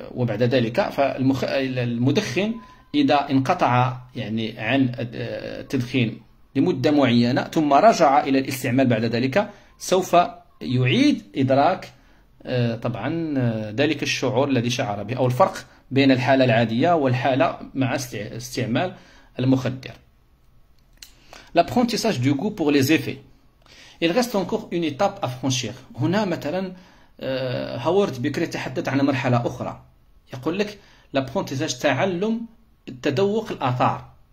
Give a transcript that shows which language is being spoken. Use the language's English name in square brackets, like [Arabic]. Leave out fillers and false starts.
[Arabic] وبعد ذلك المدخن إذا انقطع يعني عن التدخين لمدة معينة ثم رجع إلى الاستعمال بعد ذلك سوف يعيد إدراك طبعا ذلك الشعور الذي شعر به أو الفرق بين الحالة العادية والحالة مع استعمال المخدر. [French] L'apprentissage du goût pour les effets. Il reste encore une étape à franchir. [Arabic] هنا مثلا هاورد بيكر يتحدث عن مرحلة أخرى. يقول لك l'apprentissage تعلم تذوق الآثار.